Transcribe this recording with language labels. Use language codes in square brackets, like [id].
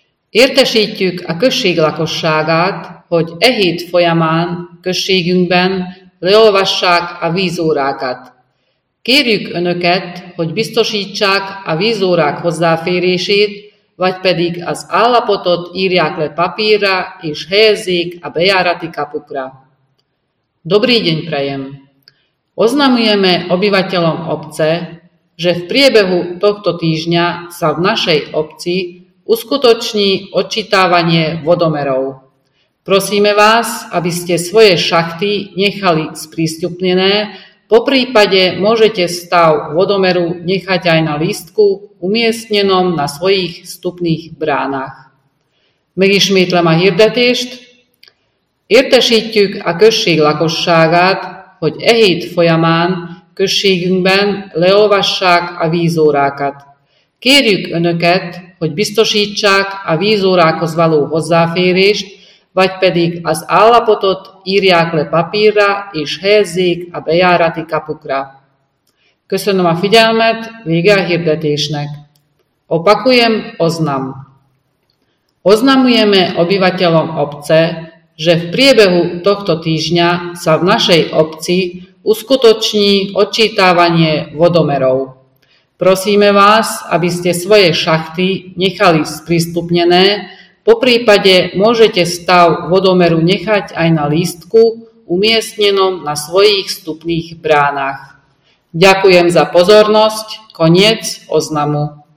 [hu] Értesítjük a község lakosságát, hogy e hét folyamán községünkben leolvassák a vízórákat. Kérjük Önöket, hogy biztosítsák a vízórák hozzáférését, vagy pedig az állapotot írják le papírra és helyezzék a bejárati kapukra. [sk] Dobrý deň prajem! Oznamujeme obyvateľom obce, že v priebehu tohto týždňa sa v našej obci uskutoční odčítavanie vodomerov. Prosíme vás, aby ste svoje šachty nechali sprístupnené, po prípade môžete stav vodomeru nechať aj na lístku umiestnenom na svojich vstupných bránach. [hu] Megismétlem a hirdetést. Értesítjük a község lakosságát, hogy e hét folyamán községünkben leolvassák a vízórákat. Kérjük Önöket, hogy biztosítsák a vízórákhoz való hozzáférést, vagy pedig az állapotot írják le papírra és helyezzék a bejárati kapukra. Köszönöm a figyelmet, vége a hirdetésnek. [sk] Opakujem, oznam. Oznamujeme obyvateľom obce, že v priebehu tohto týždňa sa v našej obci uskutoční odčítavanie vodomerov. Prosíme vás, aby ste svoje šachty nechali sprístupnené, po prípade môžete stav vodomeru nechať aj na lístku umiestnenom na svojich vstupných bránach. Ďakujem za pozornosť. Koniec oznamu.